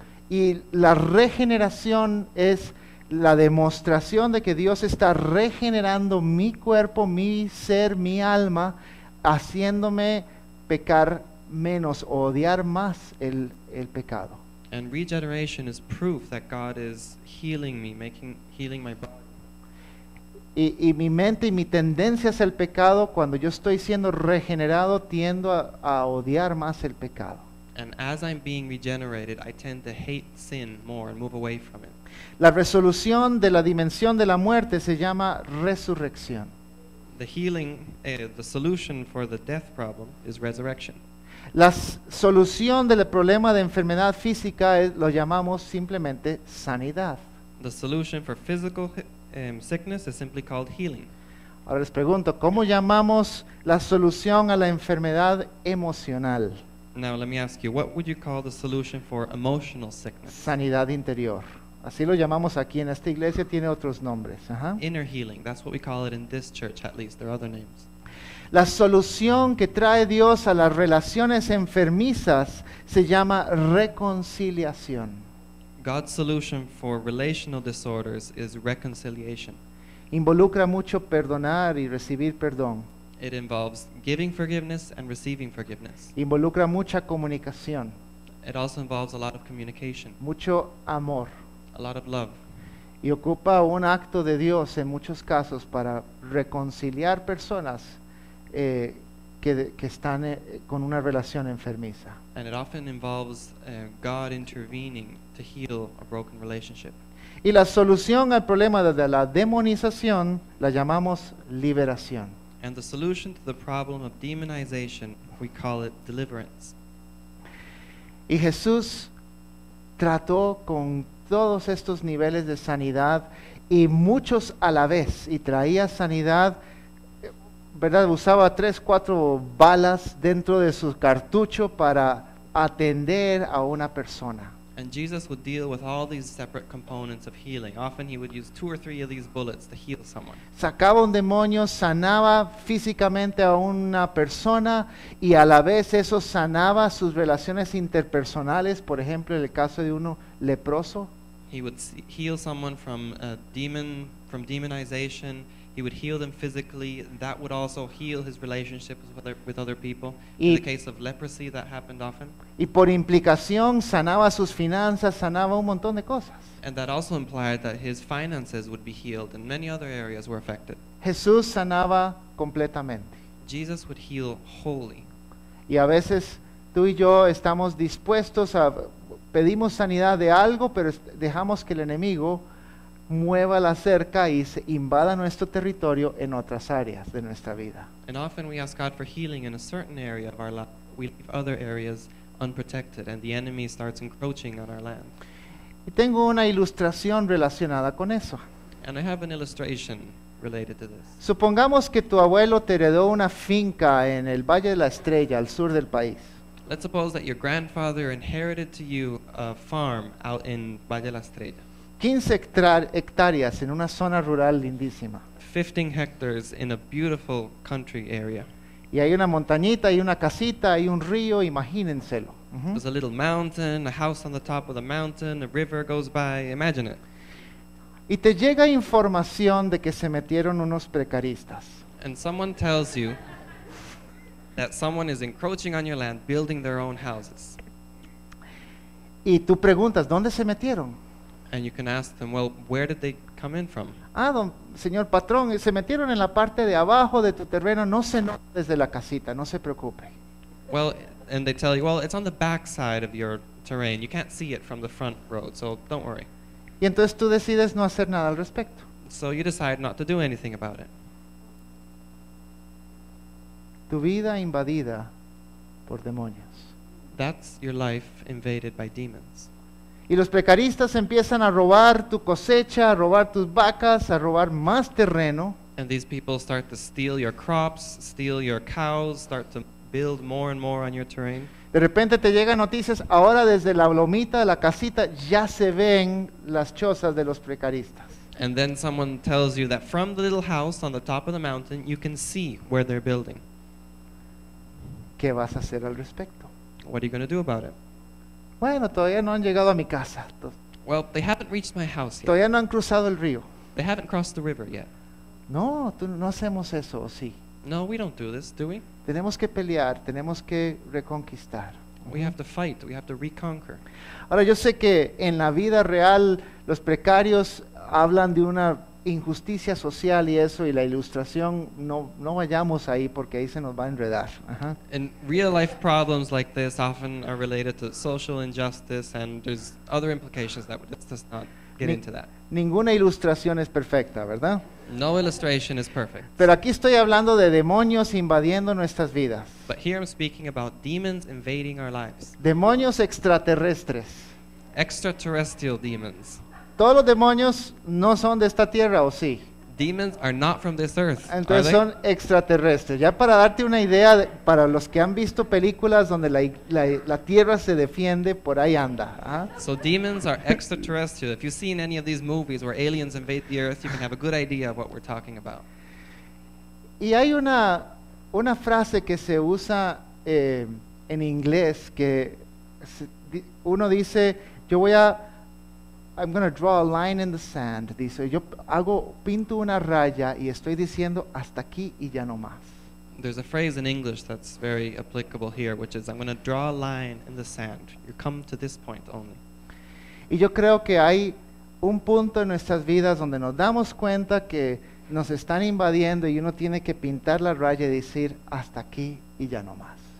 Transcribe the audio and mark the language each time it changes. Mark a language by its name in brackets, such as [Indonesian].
[Spanish] Y la regeneración es la demostración de que Dios está regenerando mi cuerpo, mi ser, mi alma, haciéndome pecar menos, odiar más el pecado. [English] And regeneration is proof that God is healing me, healing my body. [Spanish] Y mi mente y mi tendencia hacia el pecado, cuando yo estoy siendo regenerado, tiendo a odiar más el pecado. [English] And as I'm being regenerated, I tend to hate sin more and move away from it. [Spanish] La resolución de la dimensión de la muerte se llama resurrección. [English] The healing, the solution for the death problem is resurrection. [Spanish] La solución del problema de enfermedad física lo llamamos simplemente sanidad. [English] The solution for physical sickness is simply called healing. [Spanish] Ahora les pregunto, ¿cómo llamamos la solución a la enfermedad emocional? [English] Now let me ask you, what would you call the solution for emotional sickness? [Spanish] Sanidad interior. Así lo llamamos aquí en esta iglesia, tiene otros nombres. [English] Inner healing, that's what we call it in this church at least, there are other names. [Spanish] La solución que trae Dios a las relaciones enfermizas se llama reconciliación. [English] God's solution for relational disorders is reconciliation. [Spanish] Involucra mucho perdonar y recibir perdón. [English] It involves giving forgiveness and receiving forgiveness. [Spanish] Involucra mucha comunicación. [English] It also involves a lot of communication. [Spanish] Mucho amor. [English] A lot of love. [Spanish] Y ocupa un acto de Dios en muchos casos para reconciliar personas que están con una relación enfermiza. [English] And it often involves God intervening to heal a broken relationship. [Spanish] Y la solución al problema de la demonización la llamamos liberación. [English] And the solution to the problem of demonization, we call it deliverance. [Spanish] Y Jesús trató con todos estos niveles de sanidad y muchos a la vez, y traía sanidad, ¿verdad? Usaba 3-4 balas dentro de su cartucho para atender a una persona. [English] And Jesus would deal with all these separate components of healing. Often he would use 2 or 3 of these bullets to heal someone. [Spanish] Sacaba un demonio, sanaba físicamente a una persona, y a la vez eso sanaba sus relaciones interpersonales, por ejemplo, en el caso de uno leproso. [English] He would heal someone from a demon, from demonization. He would heal them physically. That would also heal his relationships with other people. In the case of leprosy, that happened often. [Spanish] Y por implicación sanaba sus finanzas, sanaba un montón de cosas. [English] And that also implied that his finances would be healed, and many other areas were affected. [Spanish] Jesús sanaba completamente. [English] Jesus would heal wholly. [Spanish] Y a veces tú y yo estamos dispuestos a pedimos sanidad de algo, pero dejamos que el enemigo mueva la cerca y se invada nuestro territorio en otras áreas de nuestra vida. [English] And often we ask God for healing in a certain area of our life. We leave other areas unprotected and the enemy starts encroaching on our land. [Spanish] Y tengo una ilustración relacionada con eso. [English] And I have an illustration related to this. [Spanish] Supongamos que tu abuelo te heredó una finca en el Valle de la Estrella, al sur del país. [English] Let's suppose that your grandfather inherited to you a farm out in Valle de la Estrella. [Spanish] 15 hectáreas en una zona rural lindísima. [English] 15 hectares in a beautiful country area. [Spanish] Y hay una montañita, hay una casita, hay un río, imagínenselo. [English] There's a little mountain, a house on the top of the mountain, a river goes by, imagine it. [Spanish] Y te llega información de que se metieron unos precaristas. [English] And someone tells you that someone is encroaching on your land, building their own houses. [Spanish] Y tú preguntas, ¿dónde se metieron? [English] And you can ask them, well, where did they come in from? [Spanish] Ah, don, señor patrón, se metieron en la parte de abajo de tu terreno, no se nota desde la casita, no se preocupe. [English] Well, and they tell you, well, it's on the back side of your terrain. You can't see it from the front road, so don't worry. [Spanish] Y entonces tú decides no hacer nada al respecto. [English] So you decide not to do anything about it. [Spanish] Tu vida invadida por demonios. [English] That's your life invaded by demons. [Spanish] Y los precaristas empiezan a robar tu cosecha, a robar tus vacas, a robar más terreno. [English] And these people start to steal your crops, steal your cows, start to build more and more on your terrain. [Spanish] De repente te llegan noticias, ahora desde la lomita de la casita ya se ven las chozas de los precaristas. [English] And then someone tells you that from the little house on the top of the mountain, you can see where they're building. [Spanish] ¿Qué vas a hacer al respecto? [English] What are you going to do about it? [Spanish] Bueno, todavía no han llegado a mi casa. [English] Well, they haven't reached my house yet. [Spanish] Todavía no han cruzado el río. [English] They haven't crossed the river yet. [Spanish] No, tú, no hacemos eso, ¿sí? [English] No, we don't do this, do we? [Spanish] Tenemos que pelear, tenemos que reconquistar. [English] We have to fight, we have to reconquer. [Spanish] Ahora, yo sé que en la vida real los precarios hablan de una injusticia social y eso, y la ilustración, no vayamos ahí porque ahí se nos va a enredar. [English] And real life problems like this often are related to social injustice, and there's other implications that would just not get into that. [Spanish] Ninguna ilustración es perfecta, ¿verdad? [English] No illustration is perfect. [Spanish] Pero aquí estoy hablando de demonios invadiendo nuestras vidas. [English] But here I'm speaking about demons invading our lives. [Spanish] Demonios extraterrestres. [English] Extraterrestrial demons. [Spanish] Todos los demonios no son de esta tierra, ¿o sí? [English] demons are not from this earth. [Spanish] Entonces son extraterrestres. Ya para darte una idea, de, para los que han visto películas donde la tierra se defiende, por ahí anda. [English] So demons are extraterrestrial. If you've seen any of these movies where aliens invade the earth, you can have a good idea of what we're talking about. [Spanish] Y hay una frase que se usa en inglés que uno dice, [English] I'm going to draw a line in the sand. [Spanish] Dice, yo hago, pinto una raya y estoy diciendo hasta aquí y ya no más. [English] There's a phrase in English that's very applicable here, which is, I'm going to draw a line in the sand. You come to this point only. [Spanish] Y yo creo que hay un punto en nuestras vidas donde nos damos cuenta que nos están invadiendo y uno tiene que pintar la raya y decir hasta aquí y ya no más.